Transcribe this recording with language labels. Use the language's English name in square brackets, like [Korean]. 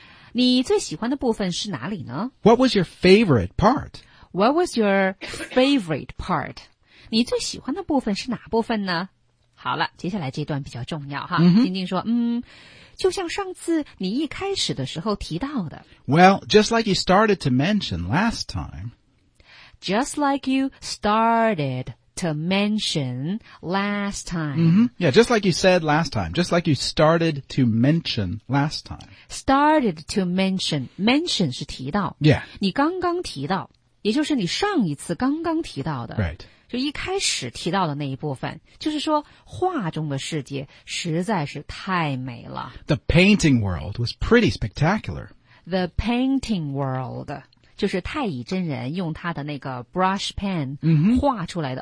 [Chinese] 你最喜欢的部分是哪里呢 [English] ?What was your favorite part? What was your favorite part? [Chinese] 你最喜欢的部分是哪部分呢好了接下来这段比较重要哈。 Mm-hmm. 静静说就像上次你一开始的时候提到的。 [English] Well, just like you started to mention last time. Just like you started. To mention last time.、 Mm-hmm. Yeah, just like you said last time. Just like you started to mention last time. Started to mention. Mention [Chinese] 是提到。 [English] Yeah. [Chinese] 你刚刚提到。也就是你上一次刚刚提到的。 [English] Right. [Chinese] 就一开始提到的那一部分。就是说画中的世界实在是太美了。 [English] The painting world was pretty spectacular. The painting world. [Chinese] 就是太乙真人用他的那个 brush pen 画出来的、